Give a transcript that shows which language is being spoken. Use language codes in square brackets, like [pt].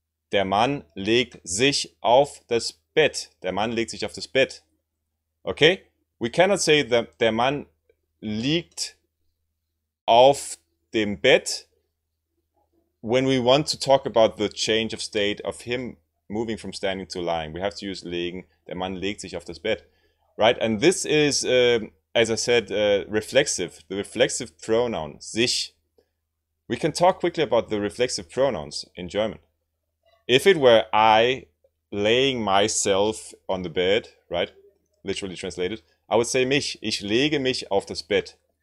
[de] Der Mann legt sich auf das Bett. Der Mann legt sich auf das Bett. [en] Okay, we cannot say that [de] der Mann liegt auf dem Bett [en] when we want to talk about the change of state of him moving from standing to lying. We have to use legen, [de] der Mann legt sich auf das Bett, [en] right? And this is, as I said, reflexive, the reflexive pronoun, sich. We can talk quickly about the reflexive pronouns in German. If it were I laying myself on the bed, right? Literally translated, I would say mich, [de] ich lege mich auf das Bett.